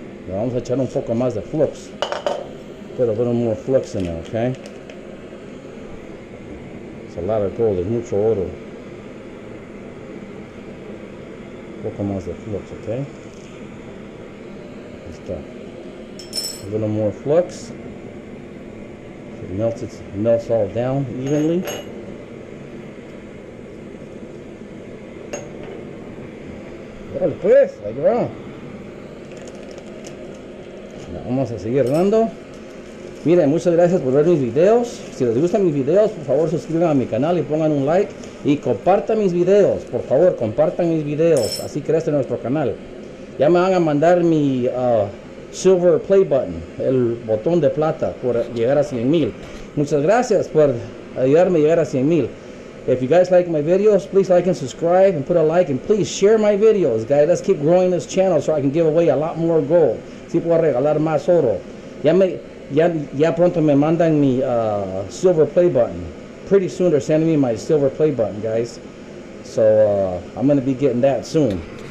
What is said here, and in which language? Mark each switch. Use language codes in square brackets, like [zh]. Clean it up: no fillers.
[es] Vamos a echar un poco más de flux. [en] Put a little more flux in there, okay? It's a lot of gold, there's [es] mucho oro. Un poco más de flux, okay? Ahí está. [en] A little more flux. It melts all down evenly. [es] Dale pues, ahí va. Vamos a seguir dando. Miren, muchas gracias por ver mis videos. Si les gustan mis videos, por favor suscriban a mi canal y pongan un like. Y compartan mis videos. Por favor, compartan mis videos. Así crece nuestro canal. Ya me van a mandar mi silver play button. El botón de plata por llegar a 100,000. Muchas gracias por ayudarme a llegar a 100,000. [en] If you guys like my videos, please like and subscribe and put a like. And please share my videos, guys. Let's keep growing this channel so I can give away a lot more gold. [es] Si puedo regalar más oro. Ya pronto me mandan mi silver play button. [en] pretty soon they're sending me my silver play button, guys. So I'm going to be getting that soon.